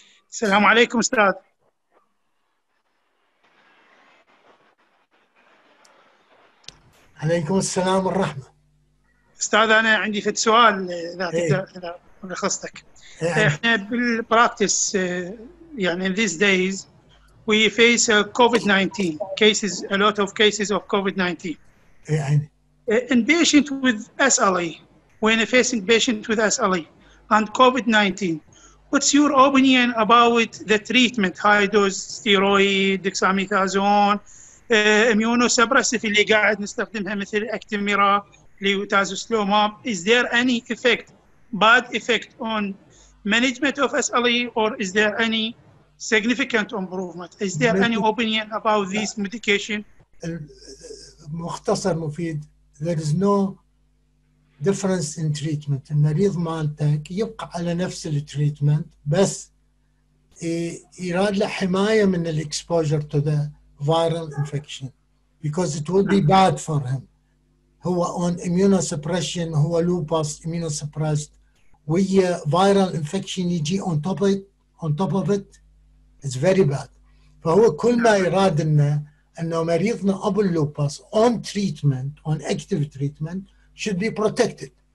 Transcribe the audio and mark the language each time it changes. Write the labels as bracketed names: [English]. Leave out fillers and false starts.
[Arabic] السلام عليكم استاذ. عليكم السلام والرحمة. استاذ انا عندي فت سؤال اذا تقدر خصتك. احنا بالبراكتس يعني [English] in these days we face COVID-19 cases, a lot of cases of COVID-19. In patient with SLE, when facing patient with SLE and COVID-19, what's your opinion about the treatment, high dose steroid, dexamethasone, immunosuppressive [Arabic] اللي قاعد نستخدمها مثل اكتميرا لوتازوسلوماب, [English] is there any effect, bad effect on management of SLE or is there any significant improvement? Is there any opinion about this medication? [Arabic] مختصر مفيد. [English] There is no difference in treatment. [Arabic] المريض مالتك يبقى على نفس التريتمنت بس يراد له حماية من الإكسبوجر [English] to the viral infection because it will be bad for him. هو on immunosuppression, هو lupus immunosuppressed. ويا viral infection يجي on top of it. It's very bad. [Arabic] فهو كل ما يراد إنه مريضنا أبو اللوبس [English] on treatment, on active treatment, should be protected.